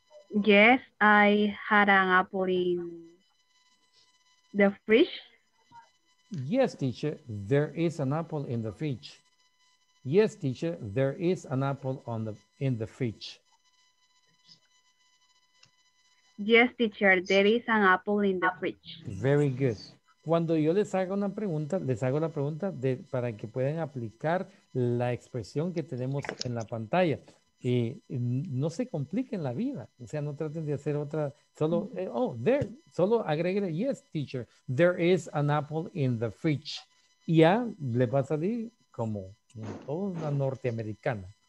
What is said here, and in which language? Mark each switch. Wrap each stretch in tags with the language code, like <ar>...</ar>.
<en>Yes, I had an apple in the fridge. Yes, teacher, there is an apple in the fridge. Yes, teacher, there is an apple in the fridge. Yes, teacher, there is an apple in the fridge. Very good.</en> <es>Cuando yo les hago una pregunta, les hago la pregunta de, para que puedan aplicar la expresión que tenemos en la pantalla. Y no se compliquen la vida. O sea, no traten de hacer otra. Solo, solo agreguen,</es> <en>yes, teacher, there is an apple in the fridge.</en> <es>Y ya le va a salir como toda una norteamericana.</es>